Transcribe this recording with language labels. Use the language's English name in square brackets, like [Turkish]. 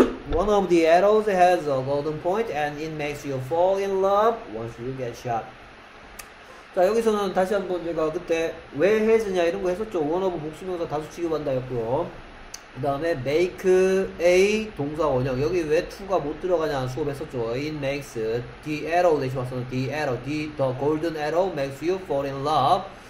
[English] One of the arrows has a golden point and it makes you fall in love once you get shot. [Korean] 자, 여기서는 다시 한번 제가 그때 왜 해주냐 이런 거 했었죠. One of 복수명사 다수 취급한다였고요. 그 다음에 make a 동사 원형. 여기 왜 to가 못 들어가냐 수업했었죠. [English] It makes the arrow, [Korean] 다시 왔었는데 [English] the arrow, the golden arrow makes you fall in love.